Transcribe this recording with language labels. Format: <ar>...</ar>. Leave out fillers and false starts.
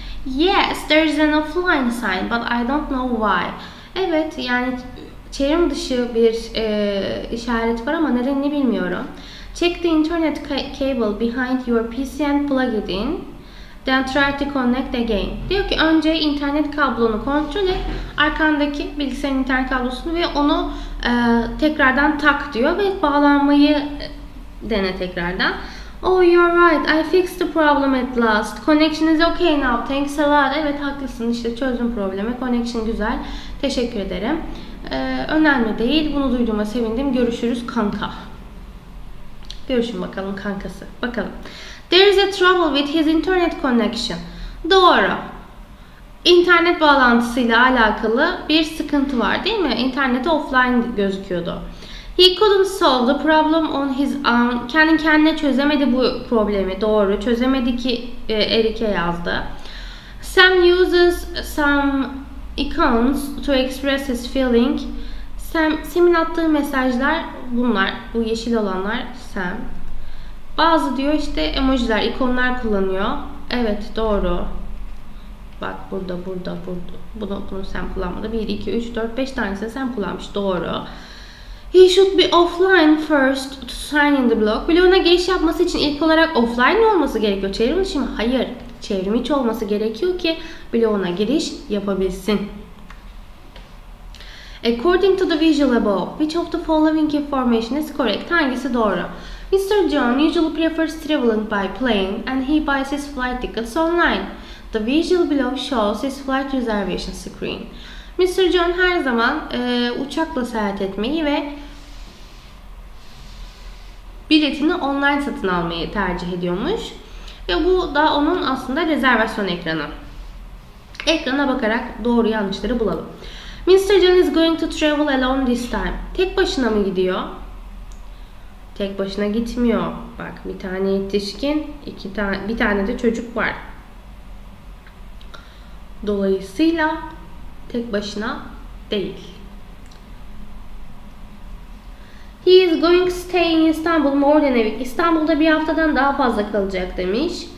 <en>Yes, there is an offline sign, but I don't know why.</en> <tr>Evet, yani çevrim dışı bir işaret var ama nedenini bilmiyorum.</tr> <en>Check the internet cable behind your PC and plug it in. Then try to connect again.</en> <tr>Diyor ki önce internet kablonu kontrol et. Arkandaki bilgisayarın internet kablosunu ve onu tekrardan tak diyor. Ve bağlanmayı dene tekrardan.</tr> <en>Oh, you're right. I fixed the problem at last. Connection is okay now. Thanks a lot.</en> <tr>Evet, haklısın. İşte çözdüm problemi. Connection güzel. Teşekkür ederim. Önemli değil. Bunu duyduğuma sevindim. Görüşürüz kanka. Görüşün bakalım kankası. Bakalım.</tr> <en>There is a trouble with his internet connection.</en> <tr>Doğru. İnternet bağlantısıyla alakalı bir sıkıntı var değil mi? İnternet offline gözüküyordu.</tr> <en>He couldn't solve the problem on his own.</en> <tr>Kendi kendine çözemedi bu problemi. Doğru. Çözemedi ki Eric'e yazdı.</tr> <en>Sam uses some icons to express his feeling.</en> <tr>Sam'in attığı mesajlar bunlar. Bu yeşil olanlar Sam. Bazı diyor işte emojiler, ikonlar kullanıyor. Evet, doğru. Bak burada, burada, burada. Bunu sen kullanmadı. 1, 2, 3, 4, 5 tanesini sen kullanmış. Doğru.</tr> <en>He should be offline first to sign in the blog.</en> <tr>Bloguna giriş yapması için ilk olarak offline olması gerekiyor? Çevrim dışı mı? Hayır. Çevrim içi olması gerekiyor ki bloguna giriş yapabilsin.</tr> <en>According to the visual above, which of the following information is correct?</en> <tr>Hangisi doğru?</tr> <en>Mr. John usually prefers traveling by plane and he buys his flight tickets online. The visual below shows his flight reservation screen. Mr.</en> <tr>John her zaman uçakla seyahat etmeyi ve biletini online satın almayı tercih ediyormuş. Ve bu da onun aslında rezervasyon ekranı. Ekrana bakarak doğru yanlışları bulalım. Mr.</tr> <en>John is going to travel alone this time.</en> <tr>Tek başına mı gidiyor? Tek başına gitmiyor. Bak, bir tane yetişkin, iki tane, bir tane de çocuk var. Dolayısıyla tek başına değil.</tr> <en>He is going to stay in Istanbul more than a week.</en> <tr>İstanbul'da bir haftadan daha fazla kalacak demiş.</tr>